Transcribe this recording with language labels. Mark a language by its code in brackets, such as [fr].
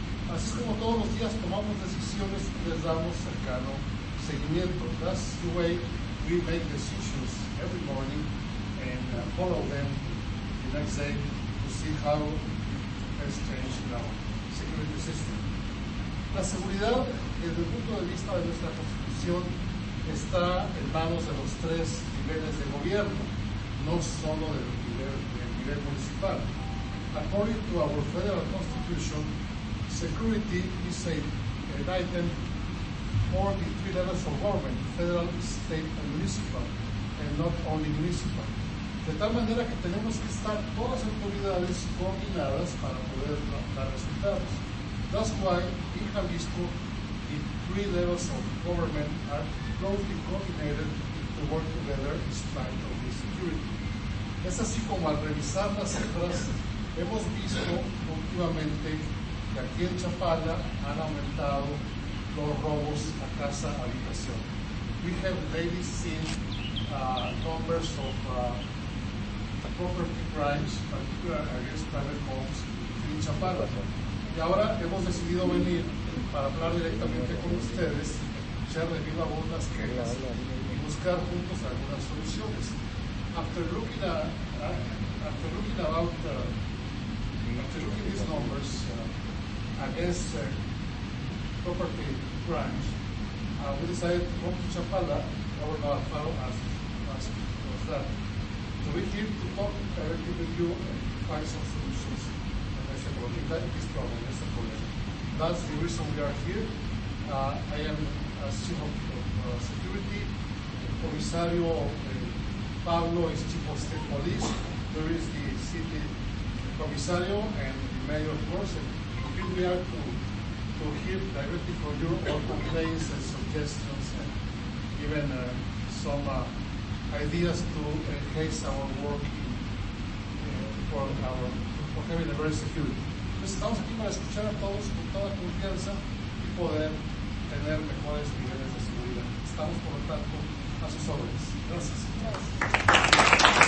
[es] Así como todos los días tomamos decisiones y les damos cercano seguimiento. [en] That's the way we make decisions every morning and follow them the next day to see how it has changed in our security system. [es] La seguridad, desde el punto de vista de nuestra Constitución, está en manos de los 3 niveles de gobierno, no solo del nivel municipal. [en] According to our federal constitution, security is an item for the 3 levels of government, federal, state, and municipal, and not only municipal. [es] De tal manera que tenemos que estar todas las autoridades coordinadas para poder dar resultados. [en] That's why in Jalisco, the 3 levels of government are closely coordinated to work together in spite of the security. [es] Es así como al revisar las cifras, hemos visto últimamente que aquí en Chapala han aumentado los robos a casa habitación. [en] We have lately seen numbers of property crimes, particularly against private homes in Chapala. [es] Y ahora hemos decidido venir para hablar directamente con ustedes, echar de viva voz las quejas y buscar juntos algunas soluciones. [en] After looking these numbers against property crimes, we decided to come to Chapala, or Navarro, as was that. So we're here to talk directly with you and find some solutions. And I said, well, we got this problem, that's a problem. That's the reason we are here. I am a chief of security. Comisario Pablo is chief of state police. There is the city comisario and the mayor, of course. And we are to hear directly from you all complaints and suggestions and even some ideas to enhance our work for having a very security. [es] Estamos aquí para escuchar a todos con toda confianza y poder tener mejores niveles de seguridad. Estamos, por lo tanto, a sus órdenes. Gracias. Gracias.